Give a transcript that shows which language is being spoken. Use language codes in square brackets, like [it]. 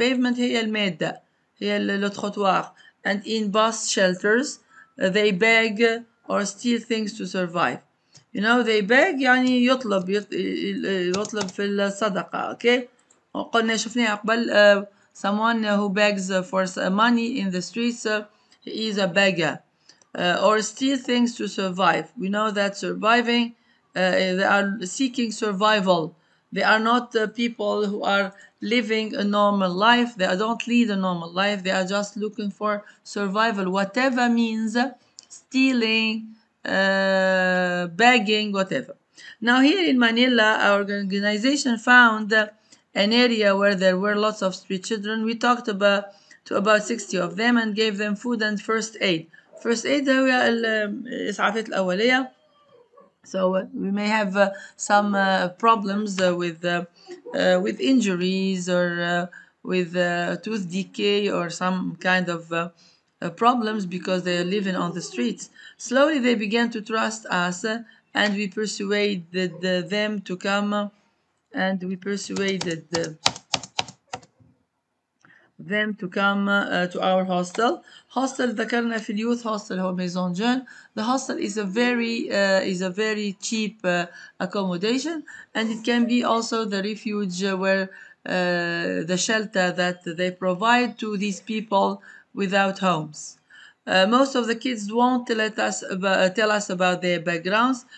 [ar] Pavement هي الميدة, هي الترتوار. [en] And in bus shelters, they beg or steal things to survive. You know, they beg. [ar] يعني يطلب يطلب في الصدقة. [en] Okay. [ar] قلنا شفناه قبل. [en] Someone who begs for money in the streets, he is a beggar. Or steal things to survive. We know that surviving, they are seeking survival. They are not people who are living a normal life. They don't lead a normal life. They are just looking for survival. Whatever means stealing, begging, whatever. Now here in Manila, our organization found an area where there were lots of street children. We talked about to about 60 of them and gave them food and first aid. First aid [ar] هو الإسعافات الأولية. [en] So we may have some problems with injuries or with tooth decay or some kind of problems because they are living on the streets. Slowly they began to trust us and we persuaded them to come and we persuaded them to come to our hostel. [ar] Hostel ذكرنا في اليوث hostel هو [fr] maison jeune. [en] The hostel is a very cheap accommodation and it can be also the refuge where the shelter that they provide to these people without homes. Most of the kids won't let us tell us about their backgrounds.